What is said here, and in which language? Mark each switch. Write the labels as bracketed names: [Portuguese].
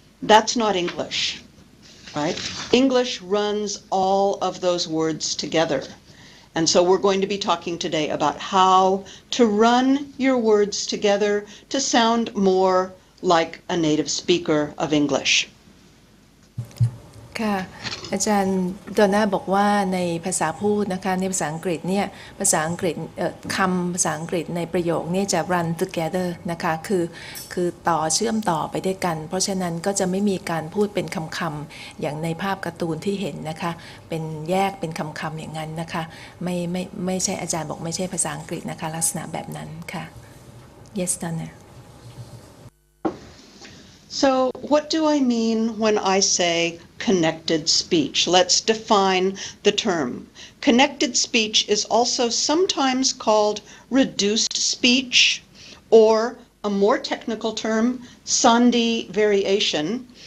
[English] That's not English, right? English runs all of those words together. And so we're going to be talking today about how to run your words together to sound more like a native speaker of English. [Thai] ค่ะอาจารย์ดอนน่าบอกว่าในภาษาพูดนะคะในภาษาอังกฤษเนี่ยภาษาอังกฤษคำภาษาอังกฤษในประโยคนี้จะ [English] run together [Thai] นะคะคือต่อเชื่อมต่อไปได้วยกันเพราะฉะนั้นก็จะไม่มีการพูดเป็นคำๆอย่างในภาพการ์ตูนที่เห็นนะคะเป็นแยกเป็นคำๆอย่างนั้นนะคะไม่ใช่อาจารย์บอกไม่ใช่ภาษาอังกฤษนะคะลักษณะแบบนั้นค่ะ yes ดอนน่า [English] So what do I mean when I say connected speech? Let's define the term. Connected speech is also sometimes called reduced speech, or a more technical term, Sandhi variation.